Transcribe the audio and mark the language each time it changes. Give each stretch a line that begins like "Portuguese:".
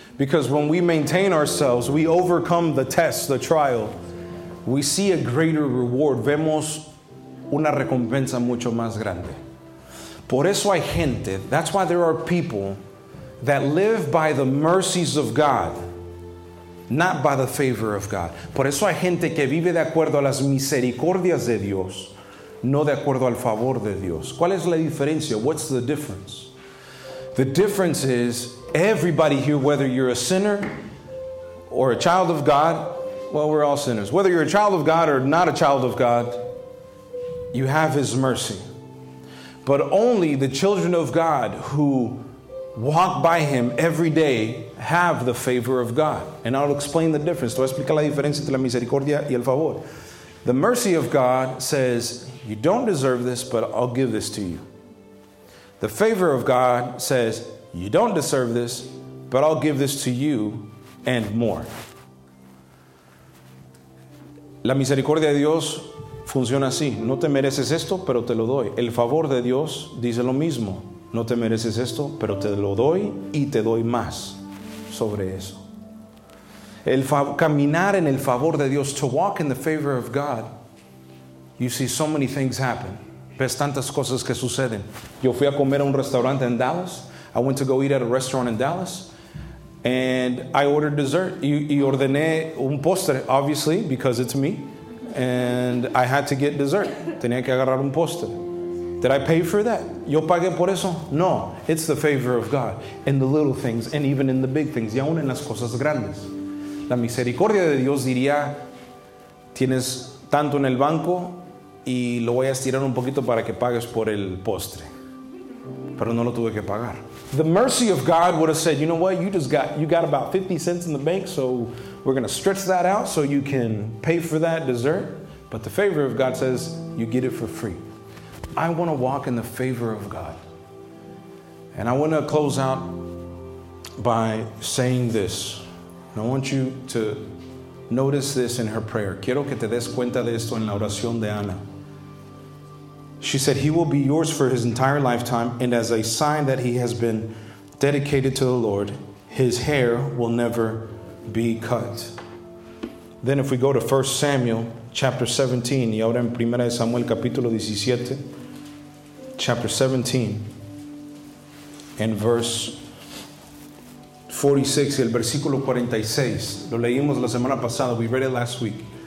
English: Because when we maintain ourselves, we overcome the test, the trial, we see a greater reward.
Spanish: Vemos una recompensa mucho más grande. Por eso hay gente,
English: that's why there are people that live by the mercies of God. Not by the favor of God.
Spanish: Por eso hay gente que vive de acuerdo a las misericordias de Dios, no de acuerdo al favor de Dios. ¿Cuál es la diferencia?
English: What's the difference? The difference is everybody here, whether you're a sinner or a child of God, well, we're all sinners. Whether you're a child of God or not a child of God, you have His mercy. But only the children of God who walk by Him every day have the favor of God. And I'll explain the difference.
Spanish: Te voy a explicar la diferencia entre la misericordia y el favor.
English: The mercy of God says, you don't deserve this, but I'll give this to you. The favor of God says, you don't deserve this, but I'll give this to you and more.
Spanish: La misericordia de Dios funciona así. No te mereces esto, pero te lo doy. El favor de Dios dice lo mismo. No te mereces esto, pero te lo doy y te doy más sobre eso. Caminar en el favor de Dios,
English: to walk in the favor of God, you see so many things happen.
Spanish: Ves tantas cosas que suceden. Yo fui a comer a un restaurante en Dallas.
English: I went to go eat at a restaurant in Dallas. And I ordered dessert.
Spanish: Y ordené un postre,
English: obviously, because it's me. And I had to get dessert.
Spanish: Tenía que agarrar un postre.
English: Did I pay for that?
Spanish: ¿Yo pagué por eso? No.
English: It's the favor of God in the little things and even in the big things.
Spanish: Y aún en las cosas grandes. La misericordia de Dios diría, tienes tanto en el banco y lo voy a estirar un poquito para que pagues por el postre. Pero no lo tuve que pagar.
English: The mercy of God would have said, you know what, you got about 50 cents in the bank, so we're going to stretch that out so you can pay for that dessert. But the favor of God says, you get it for free. I want to walk in the favor of God. And I want to close out by saying this. And I want you to notice this in her prayer.
Spanish: Quiero que te des cuenta de esto en la oración de Ana.
English: She said, he will be yours for his entire lifetime, and as a sign that he has been dedicated to the Lord, his hair will never be cut. Then if we go to 1 Samuel chapter 17,
Spanish: y ahora en 1 Samuel capítulo 17,
English: chapter 17, and verse 46,
Spanish: el versículo 46, lo leímos la semana pasada,
English: we read it last week.